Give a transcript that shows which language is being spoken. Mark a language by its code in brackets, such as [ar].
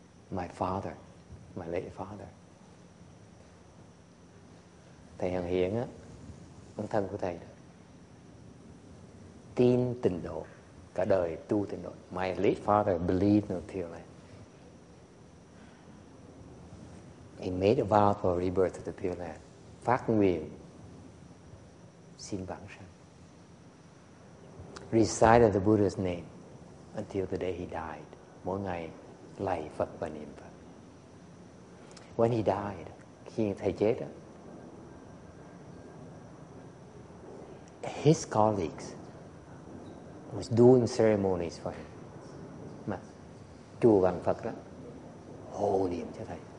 [en] My father, my late father, [vi] thầy Hằng Hiển á, ông thân của thầy đó, tin tịnh độ, cả đời tu tịnh độ. [en] My late father believed in the Pure Land. He made a vow for rebirth of the Pure Land. [vi] Phát nguyện xin vãng sanh. [en] Recited the Buddha's name until the day he died. [vi] Mỗi ngày lạy Phật và niệm Phật. [en] When he died, [vi] khi thầy chết á, [en] his colleagues was doing ceremonies for him. [vi] Mà chùa bằng Phật đó hộ niệm cho thầy.